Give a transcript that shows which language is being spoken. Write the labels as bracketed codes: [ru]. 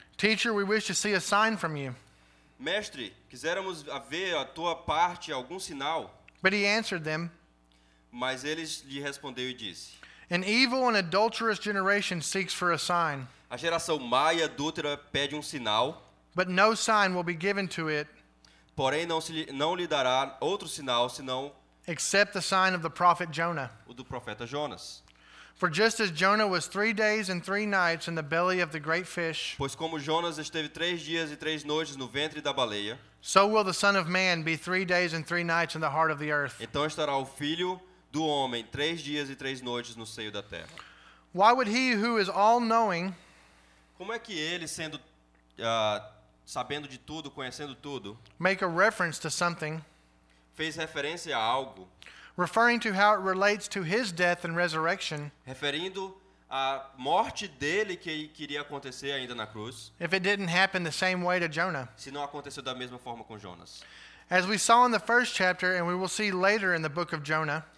[en] Teacher, we wish to see a sign from you. [pt] Mestre, quiséramos ver a tua parte algum sinal. [en] But he answered them. [pt] Mas eles lhe respondeu e disse, [en] An evil and adulterous generation seeks for a sign. [pt] A geração má e adúltera pede um sinal. [en] But no sign will be given to it. [pt] Porém não lhe dará outro sinal senão [en] except the sign of the prophet Jonah. [pt] O do profeta Jonas. [en] For just as Jonah was 3 days and three nights in the belly of the great fish. [pt] Pois como Jonas esteve 3 dias e 3 noites no ventre da baleia. [en] So will the Son of Man be 3 days and three nights in the heart of the earth. [pt] Então estará o filho do homem 3 dias e 3 noites no seio da terra. [en] Why would he who is all-knowing? [pt] Como é que ele sendo sabendo de tudo, conhecendo tudo? [en] Make a reference to something. [pt] Fez referência a algo. [en] Referring to how it relates to his death and resurrection. [pt] Referindo à morte dele que queria acontecer ainda na cruz. [en] If it didn't happen the same way to Jonah. [pt] Se não aconteceu da mesma forma com Jonas. [en] As we saw in the first chapter and we will see later in the book of Jonah.